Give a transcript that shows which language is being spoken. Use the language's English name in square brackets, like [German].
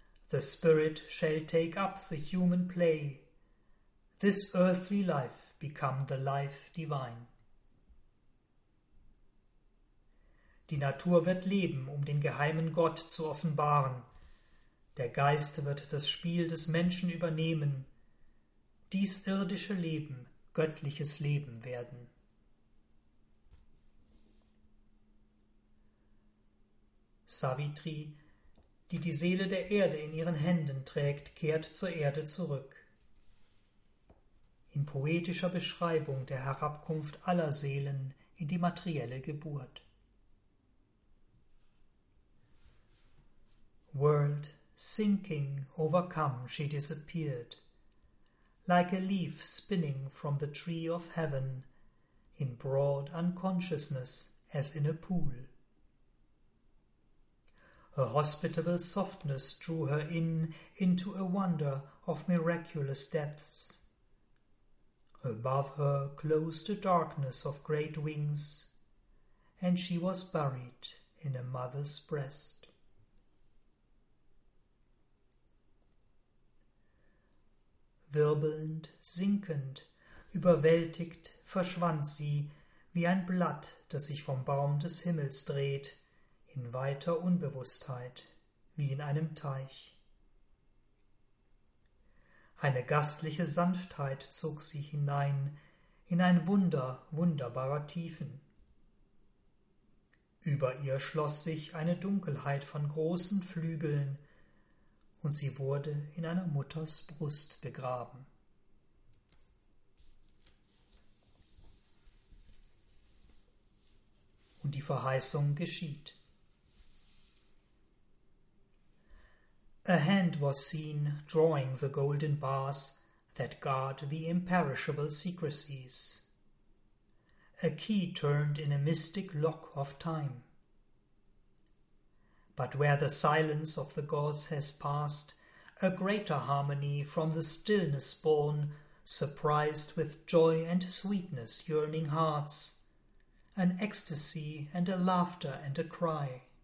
[English] The spirit shall take up the human play. This earthly life become the life divine. [German] Die Natur wird leben, um den geheimen Gott zu offenbaren. Der Geist wird das Spiel des Menschen übernehmen. Dies irdische Leben, göttliches Leben werden. Savitri, die die Seele der Erde in ihren Händen trägt, kehrt zur Erde zurück. In poetischer Beschreibung der Herabkunft aller Seelen in die materielle Geburt. [English] World sinking, overcome, she disappeared. Like a leaf spinning from the tree of heaven, in broad unconsciousness as in a pool. A hospitable softness drew her in into a wonder of miraculous depths. Above her closed a darkness of great wings, and she was buried in a mother's breast. [German] Wirbelnd, sinkend, überwältigt, verschwand sie, wie ein Blatt, das sich vom Baum des Himmels dreht, in weiter Unbewusstheit, wie in einem Teich. Eine gastliche Sanftheit zog sie hinein, in ein Wunder wunderbarer Tiefen. Über ihr schloss sich eine Dunkelheit von großen Flügeln, und sie wurde in einer Mutters Brust begraben. Und die Verheißung geschieht. [English] A hand was seen drawing the golden bars that guard the imperishable secrecies. A key turned in a mystic lock of time. But where the silence of the gods has passed, a greater harmony from the stillness born, surprised with joy and sweetness yearning hearts, an ecstasy and a laughter and a cry.